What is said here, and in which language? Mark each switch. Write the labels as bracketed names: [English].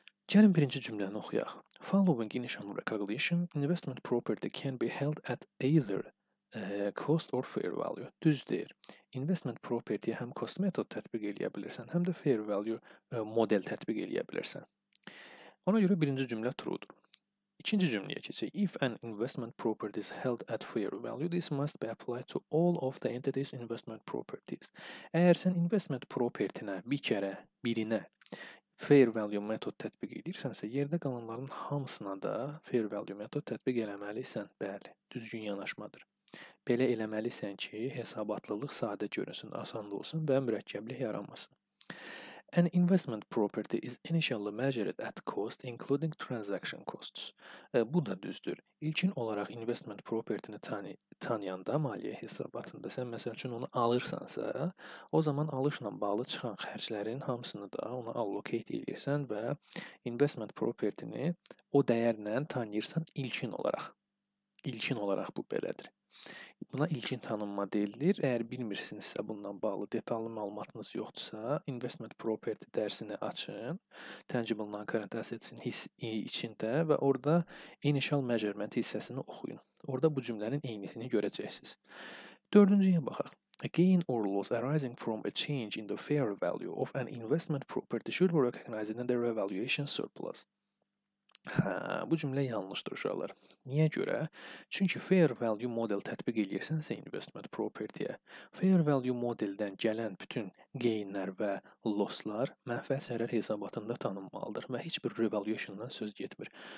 [Azerbaijani] Gəlin birinci cümləni oxuyaq. [English] Following initial recognition, investment property can be held at either cost or fair value. [Azerbaijani] Düz deyir. Investment property həm cost method tətbiq edə bilirsən, həm də fair value model tətbiq edə bilirsən. Ona görə birinci cümlə true-dur. İkinci cümləyə keçək. [English] If an investment property is held at fair value, this must be applied to all of the entity's investment properties. [Azerbaijani] Əgər sən investment property-nə bir kərə birinə fair value metod tətbiq edirsənsə, yerdə qalanların hamısına da fair value metod tətbiq eləməlisən. Bəli, düzgün yanaşmadır. Belə eləməlisən ki, hesabatlılıq sadə görünsün, asan olsun və mürəkkəblik yaranmasın. [English] An investment property is initially measured at cost, including transaction costs. [Azerbaijani] Bu da düzdür. İlkin olaraq investment property-ni tanıyanda maliyyə hesabatında sən məsəl üçün onu alırsansa, o zaman alışla bağlı çıxan xərclərin hamısını da ona allocate edirsən və investment property-ni o dəyərlə tanıyırsan ilkin olaraq. İlkin olaraq bu belədir. Buna ilkin tanınma deyilir. Əgər bilmirsinizsə bundan bağlı detallı məlumatınız yoxdursa, investment property dərsini açın. Tangible non-current assets-in hissəsi içində və orada initial measurement hissəsini oxuyun. Orada bu cümlənin eynisini görəcəksiniz. Dördüncüyə baxaq. [English] A gain or loss arising from a change in the fair value of an investment property should be recognized in the revaluation surplus. [Azerbaijani] Hə, bu cümlə yanlışdır uşaqlar. Niyə görə? Çünki fair value model tətbiq edirsənsə investment property-yə, fair value modeldən gələn bütün gainlər və losslar mənfə zərər hesabatında tanınmalıdır və heç bir revaluation-dan söz getmir.